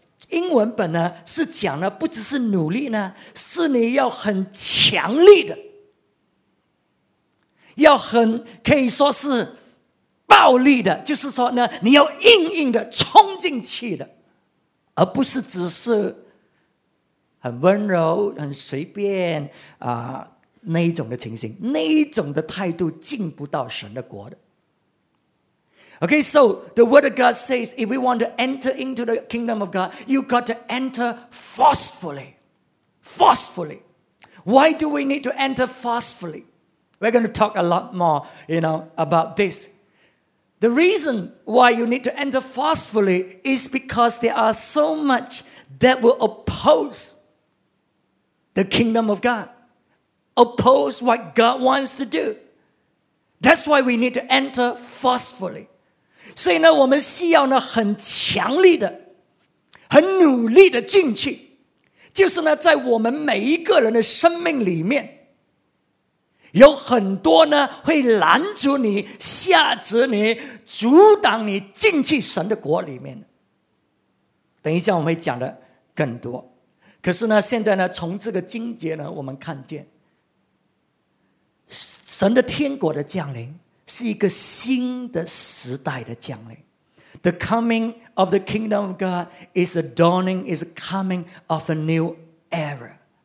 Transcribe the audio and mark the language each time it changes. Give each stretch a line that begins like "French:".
Chinese: 英文本呢是讲的不只是努力呢，是你要很强力的，要很可以说是暴力的，就是说呢你要硬硬的冲进去的，而不是只是很温柔很随便啊那一种的情形，那一种的态度进不到神的国的。
English: Okay, so the word of God says, if we want to enter into the kingdom of God, you've got to enter forcefully. Forcefully. Why do we need to enter forcefully? We're going to talk a lot more, you know, about this. The reason why you need to enter forcefully is because there are so much that will oppose the kingdom of God, oppose what God wants to do. That's why we need to enter forcefully.
Chinese: 所以呢，我们需要呢很强力的、很努力的进去，就是呢，在我们每一个人的生命里面，有很多呢会拦阻你、吓止你、阻挡你进去神的国里面。等一下我们会讲的更多。可是呢，现在呢，从这个经节呢，我们看见神的天国的降临。是一个新的时代的降临。
English: The coming of the kingdom of God is a dawning, is a coming of a new era.